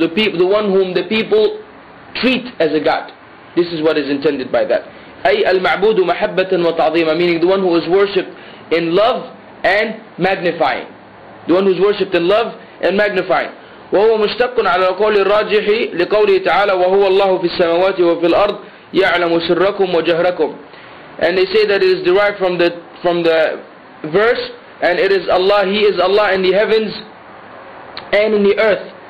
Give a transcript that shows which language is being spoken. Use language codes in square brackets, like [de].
[en] The one whom the people treat as a god. This is what is intended by that. [ar] أي الْمَعْبُودُ مَحَبَّةً وَتَعْظِيمًا. [en] Meaning the one who is worshipped in love and magnifying. The one who is worshipped in love and magnifying. [ar] وَهُوَ مُشْتَقٌ عَلَى الْقَوْلِ الرَّاجِحِ لِقَوْلِهِ تَعَالَى وَهُوَ اللَّهُ فِي السَّمَوَاتِ وَفِي الْأَرْضِ يَعْلَمُ سِرَّكُمْ وَجَهْرَكُمْ. [en] And they say that it is derived from the verse, and it is Allah, He is Allah in the heavens and in the earth.